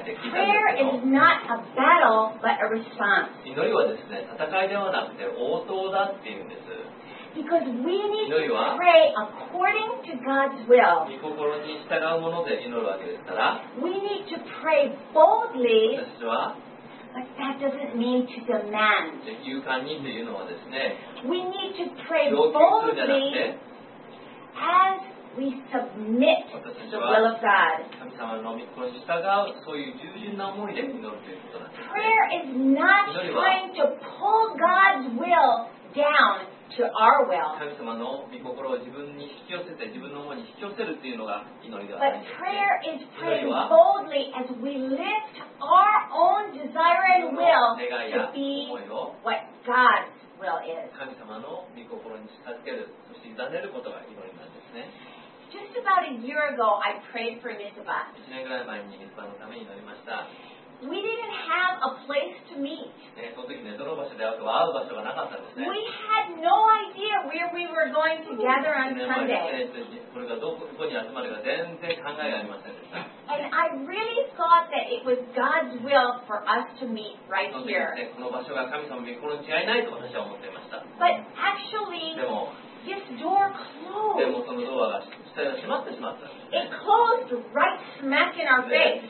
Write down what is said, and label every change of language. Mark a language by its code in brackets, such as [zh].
[en] Prayer is not a battle, but a response. [ja] 祈りはですね、戦いではなくて応答だっていうんです。 [en] Because we need to pray according to God's will. [ja] 御心に従うもので祈るわけですから。 [en] We need to pray boldly. [ja] 私は。 [en] But that doesn't mean to demand. [ja] 勇敢にというのはですね。 [en] We need to pray boldly as we submit to the will of God. [ja] 神様の御心に従う、そういう従順な思いで祈るということなんです。 [en] Prayer is not trying to pull God's will down to our will. [ja] 神様の御心を自分に引き寄せて、自分の思いに引き寄せるというのが祈りではない。 [en] But prayer is praying boldly as we lift our own desire and will to be what God's will is. [ja] 神様の御心に近づける、そして委ねることが祈りなんですね。 [en] Just about a year ago, I prayed for Misaba. [ja] 1年ぐらい前にミスバのために祈りました。 [en] We didn't have a place to meet. [ja] その時ね、どの場所で会う場所がなかったんですね。 [en] We had no idea where we were going to gather on Sunday. [ja] これがどこに集まるか全然考えがありませんでした。 [en] And I really thought that it was God's will for us to meet right here. [ja] この場所が神様の御心に違いないと私は思っていました。 [en] But actually, this door closed. [ja] でもそのドアが閉まってしまった。 [en] It closed right smack in our face.